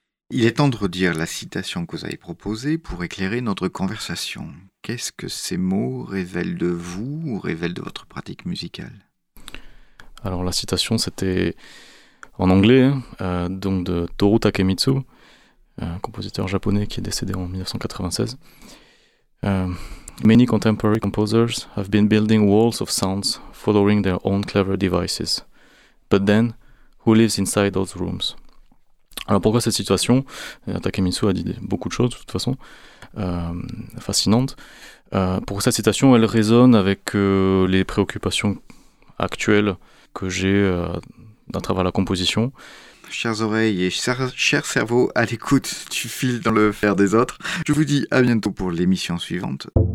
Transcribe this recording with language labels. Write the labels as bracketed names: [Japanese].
[French] Il est temps de redire la citation que vous avez proposée pour éclairer notre conversation. Qu'est-ce que ces mots révèlent de vous ou révèlent de votre pratique musicale? Alors la citation c'était en anglais, donc de Toru Takemitsu, un compositeur japonais qui est décédé en 1996. [English] Many contemporary composers have been building walls of sounds following their own clever devices. But then, who lives inside those rooms? [French] Alors pourquoi cette situation? Takemitsu a dit beaucoup de choses de toute façon, fascinantes. Pour cette citation, elle résonne avec les préoccupations actuelles que j'ai à travers la composition. Chères oreilles et chers cerveaux, à l'écoute, tu files dans le fer des autres. Je vous dis à bientôt pour l'émission suivante.